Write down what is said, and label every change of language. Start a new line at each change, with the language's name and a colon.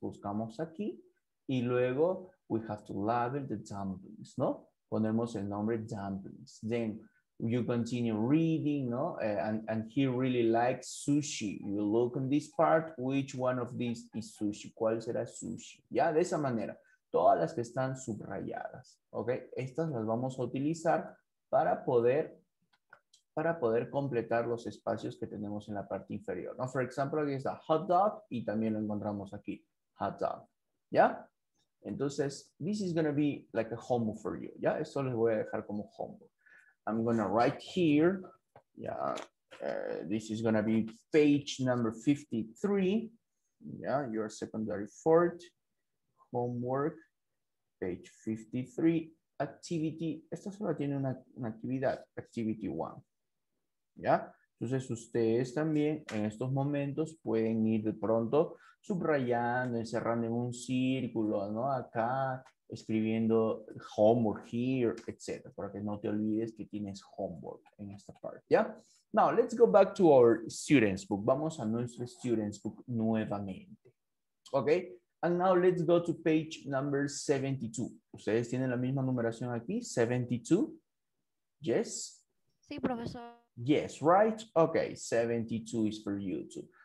Spanish: Buscamos aquí y luego
English: we have to label the dumplings, no?
Spanish: Ponemos el nombre
English: dumplings. Then you continue reading, no? And he really likes sushi. You look on this part, which one of these is sushi?
Spanish: ¿Cuál será sushi? Ya, de esa manera. Todas las que están subrayadas, ¿ok? Estas las vamos a utilizar para poder completar los espacios que tenemos en la parte inferior, ¿no?
English: For example,
Spanish: aquí está hot dog y también lo encontramos aquí, hot dog, ¿ya?
English: Entonces, this is going to be like a homework for you, ¿ya?
Spanish: Esto les voy a dejar como homework.
English: I'm going to write here,
Spanish: ¿ya?
English: This is going to be page number 53, ¿ya? Your secondary fourth, homework, page 53, activity,
Spanish: esto solo tiene una actividad,
English: activity one. ¿Ya?
Spanish: Entonces ustedes también en estos momentos pueden ir de pronto subrayando, encerrando en un círculo, ¿no? Acá escribiendo
English: homework here,
Spanish: etc. Para que no te olvides que tienes homework en esta parte, ¿ya?
English: Now, let's go back to our students book.
Spanish: Vamos a nuestro students book nuevamente. ¿Ok?
English: And now let's go to page number 72.
Spanish: ¿Ustedes tienen la misma numeración aquí?
English: 72. ¿Yes?
Spanish: Sí, profesor.
English: Yes, right? Okay, 72 is for you too.